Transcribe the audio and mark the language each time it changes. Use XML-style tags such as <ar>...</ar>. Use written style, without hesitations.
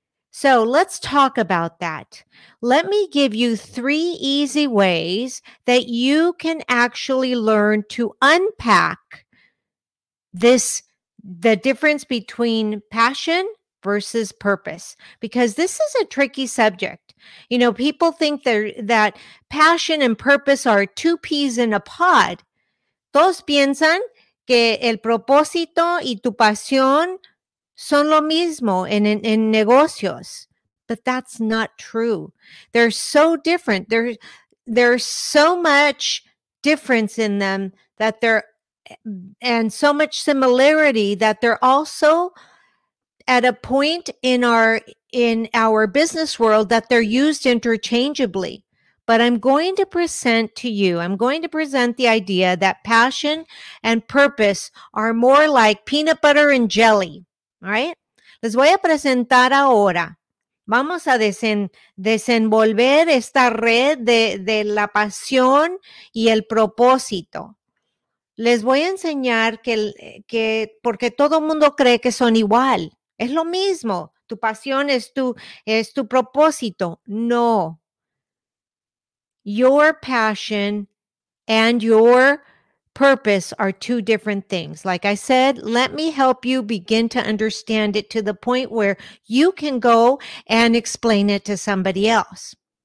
<en>So let's talk about that. Let me give you three easy ways that you can actually learn to unpack this, the difference between passion versus purpose, because this is a tricky subject. You know, people think that passion and purpose are two peas in a pod.</en> <es>Todos piensan que el propósito y tu pasión son lo mismo en negocios.</es> <en>But that's not true. They're so different. There's so much difference in them that they're, and so much similarity that they're also at a point in our business world that they're used interchangeably. But I'm going to present the idea that passion and purpose are more like peanut butter and jelly. All right.</en> <es>Les voy a presentar ahora. Vamos a desenvolver esta red de la pasión y el propósito. Les voy a enseñar que porque todo mundo cree que son igual. Es lo mismo. Tu pasión es tu propósito. No.</es> <en>Your passion and your purpose are two different things. Like I said, let me help you begin to understand it to the point where you can go and explain it to somebody else.</en>